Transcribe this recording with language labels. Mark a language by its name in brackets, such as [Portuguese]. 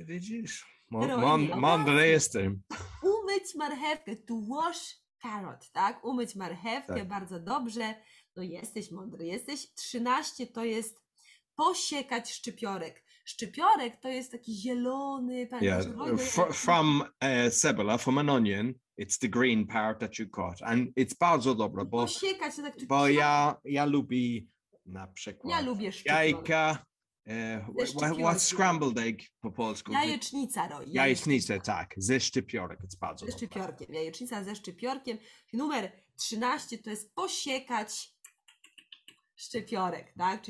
[Polish] Widzisz, mądry jestem. Umyć marchewkę, [English] to wash Karot, [Polish] tak? Umyć marchewkę, tak. Bardzo dobrze. No jesteś mądry, jesteś. 13 to jest posiekać szczypiorek. Szczypiorek to jest taki zielony, [English] From cebola, from an onion, it's the green part that you caught. And it's [Polish] bardzo dobre, bo posiekać, tak, bo ja lubię na przykład jajka. [English] What's scrambled egg [Polish] po polsku? Jajecznica, jajecznica, tak. Ze szczypiorek, [English] it's [Polish] bardzo dobre. Ze szczypiorkiem, jajecznica ze szczypiorkiem. Numer 13 to jest posiekać szczypiorek, tak?